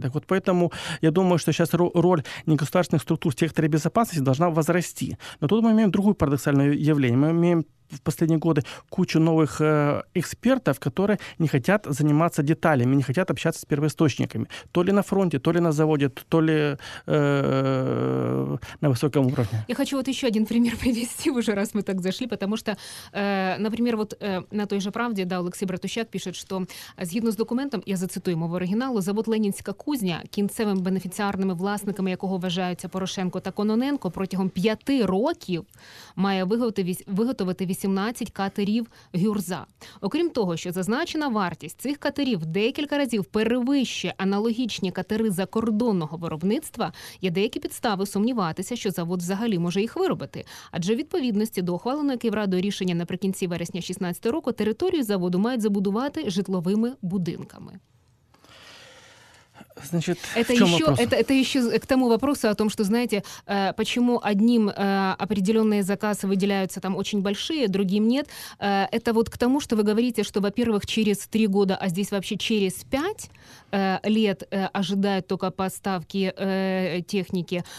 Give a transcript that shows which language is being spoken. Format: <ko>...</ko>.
<ru>Так вот, поэтому я думаю, что сейчас роль негосударственных структур в секторе безопасности должна возрасти. Но тут мы имеем другое парадоксальное явление. Мы имеем в последние годы кучу новых экспертов, которые не хотят заниматься деталями, не хотят общаться с первоисточниками. То ли на фронте, то ли на заводе, то ли на высоком уровне. Я хочу вот еще один пример привести, уже раз мы так зашли, потому что, например, вот на той же «Правде», да,</ru> <uk>Олексій Братущак пишет, что згідно з документом, я зацитую мову оригіналу, завод «Ленінська кузня», кінцевими бенефіціарними власниками якого вважаються Порошенко та Кононенко, протягом 5 років має виготовити 18 катерів «Гюрза». Окрім того, що зазначена вартість цих катерів декілька разів перевищує аналогічні катери закордонного виробництва, є деякі підстави сумніватися, що завод взагалі може їх виробити. Адже у відповідності до ухваленого Київрадою рішення наприкінці вересня 2016 року територію заводу мають забудувати житловими будинками.</uk> <ru>Значит, это, еще, это еще к тому вопросу о том, что, знаете, почему одним определенные заказы выделяются там очень большие, другим нет. Это вот к тому, что вы говорите, что, во-первых, через 3 года, а здесь вообще через 5 лет ожидают только поставки техники.</ru>